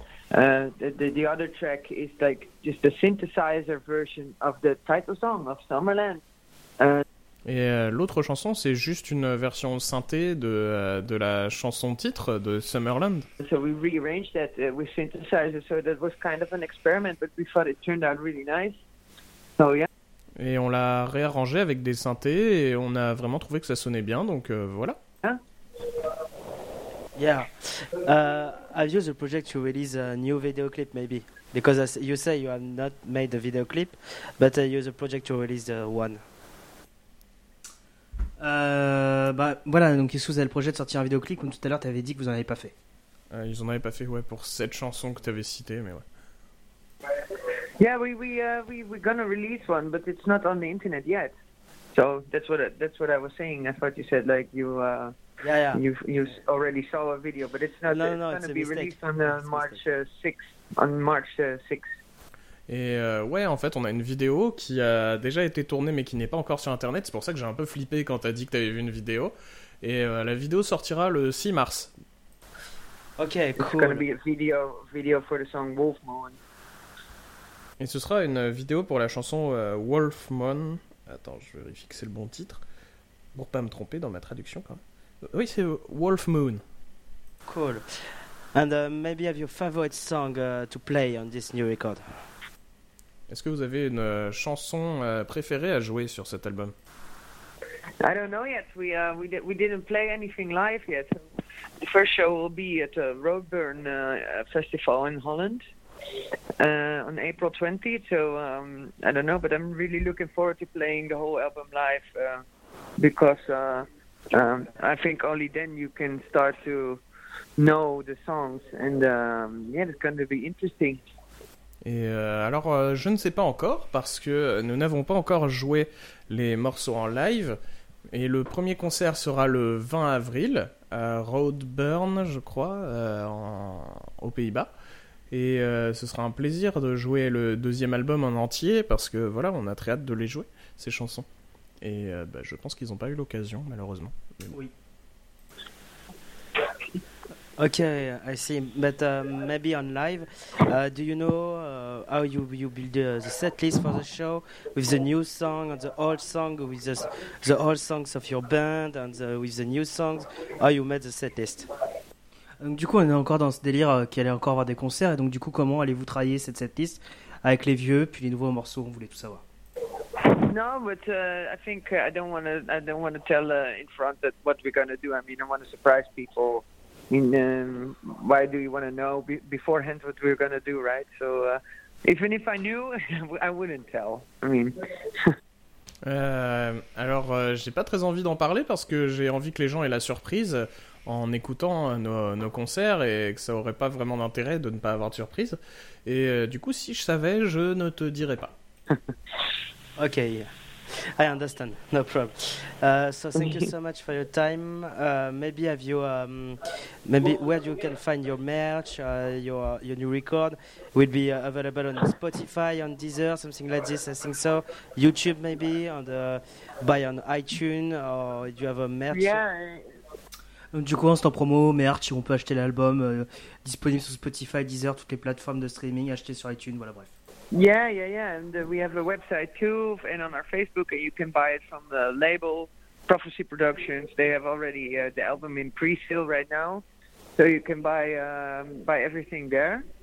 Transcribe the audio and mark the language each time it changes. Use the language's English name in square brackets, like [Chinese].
[English] The other track is like just a synthesizer version of the title song of Summerland. [French] Et l'autre chanson, c'est juste une version synthé de la chanson titre de Summerland. [English] So we rearranged that with synthesizer, so that was kind of an experiment, but we thought it turned out really nice. So yeah. [French] Et on l'a réarrangé avec des synthés et on a vraiment trouvé que ça sonnait bien, donc voilà. [English] Yeah. I've used the project to release a new video clip, maybe. Because as you say you have not made the video clip, but I use the project to release the one. [French] Voilà, donc ils sous le projet de sortir un vidéoclip, comme tout à l'heure tu avais dit que vous en avez pas fait. Ils en avaient pas fait, ouais, pour cette chanson que tu avais citée, mais ouais. [English] Yeah, we're gonna release one, but it's not on the internet yet. So that's what I was saying. I thought you said like you already saw a video, but it's not. No, it's gonna be mistake. Released on March 6th. [French] Et ouais, en fait, on a une vidéo qui a déjà été tournée, mais qui n'est pas encore sur Internet. C'est pour ça que j'ai un peu flippé quand t'as dit que t'avais vu une vidéo. Et la vidéo sortira le 6 mars. [English] Ok, cool. It's gonna be a video for the song Wolf Moon. [French] Et ce sera une vidéo pour la chanson Wolf Moon. Attends, je vérifie que c'est le bon titre. Pour pas me tromper dans ma traduction, quand même. Oui, c'est Wolf Moon. [English] Cool. And maybe have your favorite song to play on this new record. [French] Est-ce que vous avez une chanson préférée à jouer sur cet album? [English] I don't know yet. We didn't play anything live yet. The first show will be at a Roadburn festival in Holland on April 20th. So I don't know, but I'm really looking forward to playing the whole album live because I think only then you can start to know the songs and yeah, it's going to be interesting. [French] Et alors, je ne sais pas encore, parce que nous n'avons pas encore joué les morceaux en live, et le premier concert sera le 20 avril, à Roadburn, je crois, aux Pays-Bas, et ce sera un plaisir de jouer le deuxième album en entier, parce que voilà, on a très hâte de les jouer, ces chansons, et je pense qu'ils n'ont pas eu l'occasion, malheureusement. Mais bon. Oui. [English] Okay, I see. But maybe on live, do you know how you build the set list for the show with the new song and the old song with the old songs of your band and with the new songs? How you made the set list? [French] Donc, du coup, on est encore dans ce délire qu'il allait encore avoir des concerts. Et donc, du coup, comment allez-vous travailler cette set list avec les vieux puis les nouveaux morceaux? On voulait tout savoir. [English] No, but I think I don't want to tell in front that what we're gonna do. I mean, I want to surprise people. I mean, why do you want to know beforehand what we're going to do, right? So, even if I knew, I wouldn't tell. I mean. [French] J'ai pas très envie d'en parler parce que j'ai envie que les gens aient la surprise en écoutant nos concerts et que ça aurait pas vraiment d'intérêt de ne pas avoir de surprise. Et du coup, si je savais, je ne te dirais pas. [English] Ok. I understand, no problem. So thank you so much for your time. Maybe have you maybe where you can find your merch, your new record will be available on Spotify, on Deezer, something like this, I think so. YouTube maybe, buy on iTunes, or do you have a merch? Yeah. [French] Du coup, on est en promo, merch, on peut acheter l'album, disponible sur Spotify, Deezer, toutes les plateformes de streaming, acheter sur iTunes, voilà, bref. [English] Yeah, and we have a website too, and on our Facebook, and you can buy it from the label, Prophecy Productions. They have already the album in pre-sale right now, so you can buy everything there.